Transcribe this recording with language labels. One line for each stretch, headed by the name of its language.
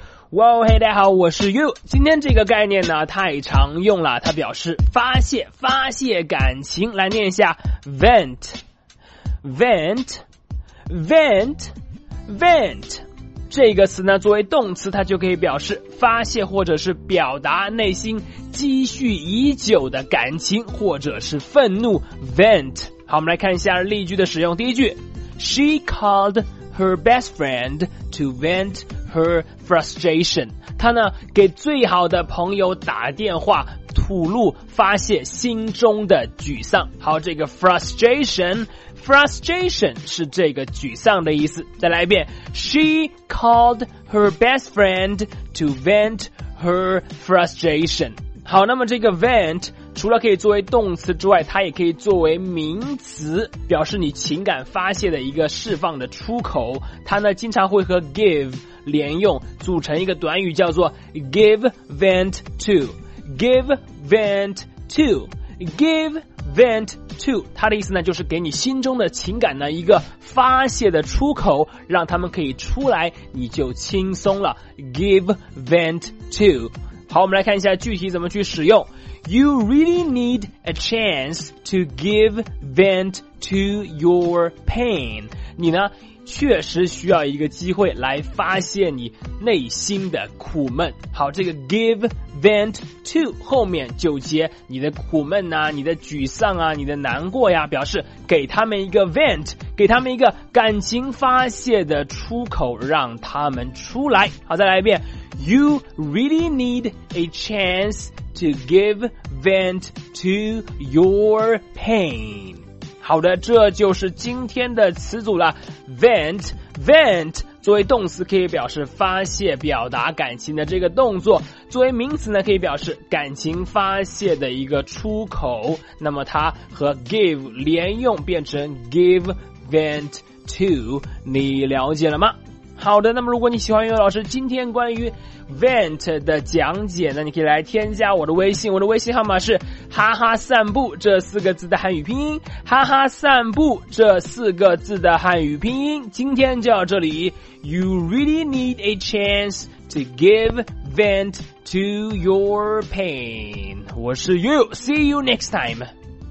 Chinese: 哇嘿，大家好，我是 You。今天这个概念呢太常用了，它表示发泄感情。来念一下 vent vent vent vent。这个词呢作为动词，它就可以表示发泄或者是表达内心积蓄已久的感情或者是愤怒， vent。好，我们来看一下例句的使用。第一句，
English: She called her best friend to vent her frustration。
Chinese: 她呢给最好的朋友打电话吐露发泄心中的沮丧。好，这个 frustration 是这个沮丧的意思。再来一遍，
English: She called her best friend to vent her frustration。
Chinese: 好，那么这个 vent 除了可以作为动词之外，它也可以作为名词，表示你情感发泄的一个释放的出口。它呢经常会和 give 连用，组成一个短语叫做 give vent to。 Give vent to, give vent to, 它的意思呢就是给你心中的情感呢一个发泄的出口，让他们可以出来你就轻松了。 Give vent to。好，我们来看一下具体怎么去使用。
English: You really need a chance to give vent to your pain。
Chinese: 你呢确实需要一个机会来发泄你内心的苦闷。好，这个 give vent to 后面就接你的苦闷啊，你的沮丧啊，你的难过呀，表示给他们一个 vent， 给他们一个感情发泄的出口，让他们出来。好，再来一遍，
English: You really need a chance to give vent to your pain。
Chinese: 好的，这就是今天的词组了。vent 作为动词可以表示发泄表达感情的这个动作，作为名词呢可以表示感情发泄的一个出口。那么它和 give 连用变成 give vent to， 你了解了吗？好的，那么如果你喜欢悠悠老师今天关于 vent 的讲解呢，你可以来添加我的微信，我的微信号码是哈哈散步这四个字的汉语拼音，哈哈散步这四个字的汉语拼音。今天就到这里，
English: You really need a chance to give vent to your pain。
Chinese: 我是
English: You， See you next time。